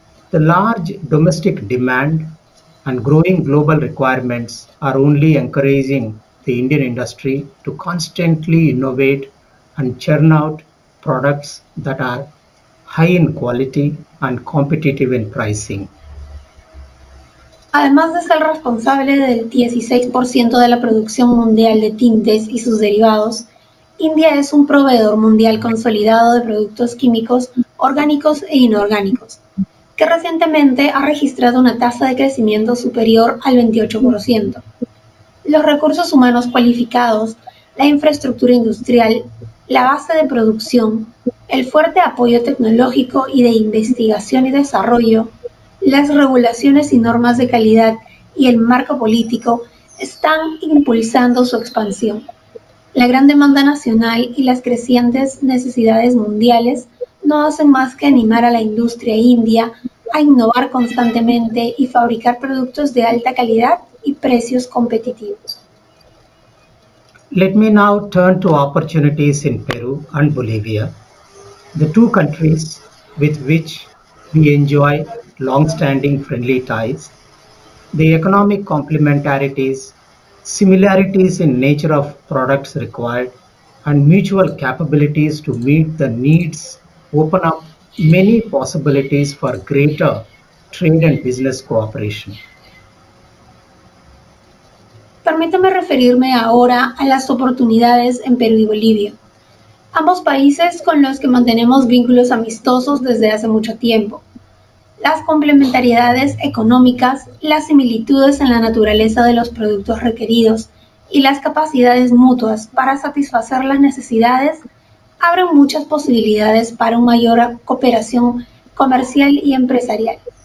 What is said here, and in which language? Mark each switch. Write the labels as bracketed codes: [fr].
[en] The large domestic demand and growing global requirements are only encouraging the Indian industry to constantly innovate and churn out products that are high in quality and competitive in pricing. [es] Además de ser responsable del 16% de la producción mundial de tintes y sus derivados, India es un proveedor mundial consolidado de productos químicos, orgánicos e inorgánicos, que recientemente ha registrado una tasa de crecimiento superior al 28%. Los recursos humanos cualificados, la infraestructura industrial, la base de producción, el fuerte apoyo tecnológico y de investigación y desarrollo, las regulaciones y normas de calidad y el marco político están impulsando su expansión. La gran demanda nacional y las crecientes necesidades mundiales no hacen más que animar a la industria india a innovar constantemente y fabricar productos de alta calidad y precios competitivos. [en] Let me now turn to opportunities in Peru and Bolivia, the two countries with which we enjoy long-standing friendly ties, the economic complementarities, similarities in nature of products required, and mutual capabilities to meet the needs open up many possibilities for greater trade and business cooperation. [es] Permítame referirme ahora a las oportunidades en Perú y Bolivia, ambos países con los que mantenemos vínculos amistosos desde hace mucho tiempo. Las complementariedades económicas, las similitudes en la naturaleza de los productos requeridos y las capacidades mutuas para satisfacer las necesidades abren muchas posibilidades para una mayor cooperación comercial y empresarial.